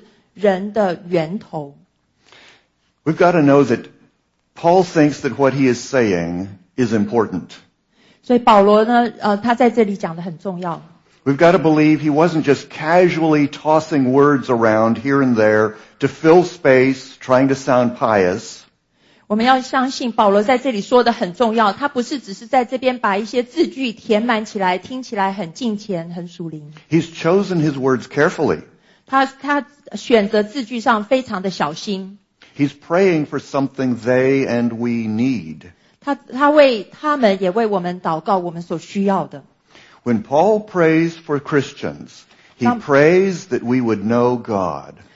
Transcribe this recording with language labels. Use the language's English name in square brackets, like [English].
[Chinese] 他是创造人的那位造物主，所以呢，其实他是人的源头。 [English] We've got to know that Paul thinks that what he is saying is important. [Chinese] 所以保罗呢，他在这里讲的很重要。 [English] We've got to believe he wasn't just casually tossing words around here and there to fill space, trying to sound pious. [Chinese] 我们要相信保罗在这里说的很重要，他不是只是在这边把一些字句填满起来，听起来很敬虔，很属灵。 [English] He's chosen his words carefully. [Chinese] 他选择字句上非常的小心。 [English] He's praying for something they and we need. [Chinese] 他为他们也为我们祷告我们所需要的。 [English] When Paul prays for Christians, he prays that we would know God.